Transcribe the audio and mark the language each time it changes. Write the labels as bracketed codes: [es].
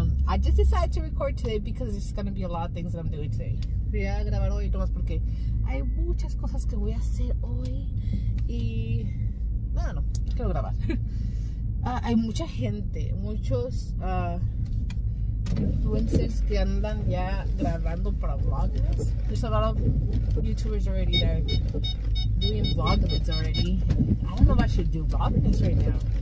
[en] I just decided to record today because there's gonna be a lot of things that I'm doing today. [es] Voy a grabar hoy nomás porque hay muchas cosas que voy a hacer hoy. Y no, quiero grabar. Hay mucha gente, muchos influencers que andan ya grabando para Vlogmas. [en] There's a lot of YouTubers already that are doing Vlogmas already. I don't know if I should do Vlogmas right now.